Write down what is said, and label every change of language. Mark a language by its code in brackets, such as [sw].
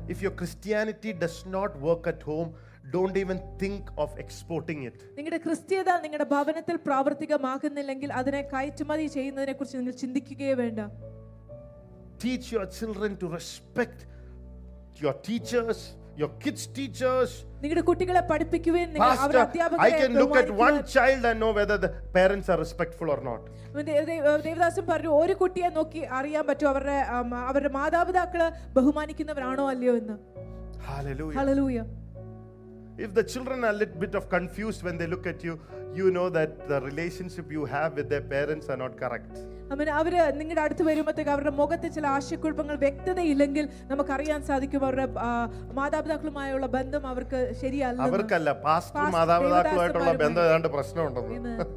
[en] If your Christianity does not work at home, don't even think of exporting it. [ml] നിങ്ങളുടെ ക്രിസ്ത്യത നിങ്ങളുടെ ഭവനത്തിൽ പ്രാവർത്തികമാക്കുന്നില്ലെങ്കിൽ അതിനെ കയറ്റുമതി ചെയ്യുന്നതിനെ കുറിച്ച് നിങ്ങൾ ചിന്തിക്കുകയേ വേണ്ട. [en] Teach your children to respect your teachers, your kids' teachers. [ml] നിങ്ങളുടെ കുട്ടികളെ പഠിപ്പിക്കുകയും നിങ്ങൾ അവരുടെ അധ്യാപകരെ. [en] I can look at one child and know whether the parents are respectful or not. [ml] ദേവദാസും പറഞ്ഞു, ഒരു കുട്ടിയെ നോക്കി അറിയാൻ പറ്റും അവരുടെ അവരുടെ മാതാപിതാക്കളെ ബഹുമാനിക്കുന്നവരാണോ അല്ലയോ എന്ന്. [en] Hallelujah. Hallelujah. If the children are a little bit of confused when they look at you, you know that the relationship you have with their parents are not correct. [ml] അമ്മ, അവര് നിങ്ങളുടെ അടുത്ത് വരുമ്പോഴത്തേക്ക് അവരുടെ മുഖത്ത് ചില ആശയക്കുഴപ്പങ്ങൾ വ്യക്തത ഇല്ലെങ്കിൽ നമുക്ക് അറിയാൻ സാധിക്കും അവരുടെ മാതാപിതാക്കളുമായുള്ള ബന്ധം അവർക്ക് ശരിയല്ല. അവർക്കല്ല, പാസ്റ്റർ മാതാപിതാക്കളുമായിട്ടുള്ള ബന്ധം ഏതാണ്ട് പ്രശ്നമുണ്ടെന്ന്.